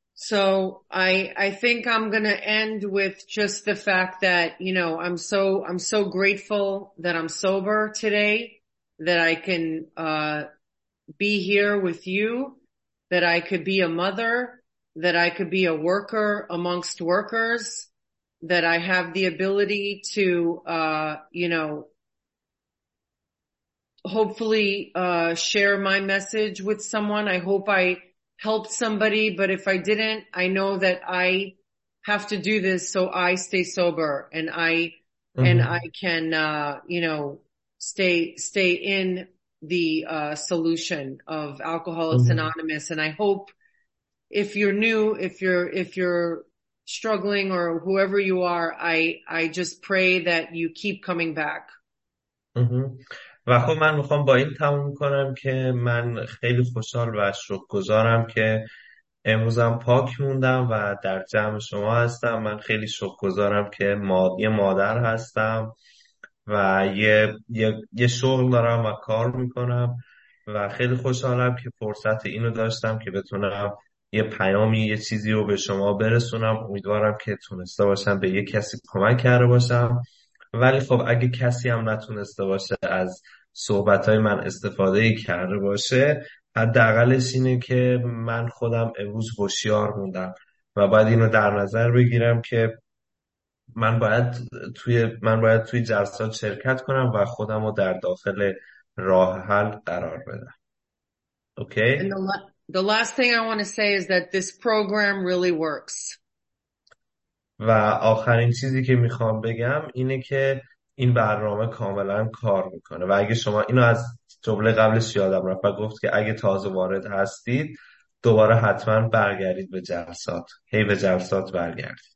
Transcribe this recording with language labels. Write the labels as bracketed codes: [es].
[en] So I think I'm going to end with just the fact that, you know, I'm so grateful that I'm sober today, that I can be here with you, that I could be a mother, that I could be a worker amongst workers, that I have the ability to, you know, hopefully share my message with someone. I hope I helped somebody, but if I didn't, I know that I have to do this so I stay sober and I can, you know, stay in the solution of Alcoholics Anonymous. And I hope if you're new, if you're struggling or whoever you are, I just pray that you keep coming back. [fa] و خب من میخوام با این تموم کنم که من خیلی خوشحال و شکرگزارم که امروزم پاک موندم و در جمع شما هستم. من خیلی شکرگزارم که یه مادر هستم و یه شغل دارم و کار میکنم و خیلی خوشحالم که فرصت اینو داشتم که بتونم یه پیامی، یه چیزی رو به شما برسونم. امیدوارم که تونسته باشم به یه کسی کمک کرده باشم، ولی خب اگه کسی هم نتونسته باشه از صحبتهای من استفاده کرده باشه، حداقلش اینه که من خودم امروز هوشیار موندم و باید اینو در نظر بگیرم که من باید توی جلسات شرکت کنم و خودم رو در داخل راه حل قرار بدم. اوکی؟ [en] And the last thing I want to say is that this program really works. [fa] و آخرین چیزی که میخوام بگم اینه که این برنامه کاملا کار میکنه. و اگه شما اینو از جمله قبلش یادم رفت و گفت که اگه تازه وارد هستید دوباره حتما برگردید به جلسات، هی به جلسات برگردید.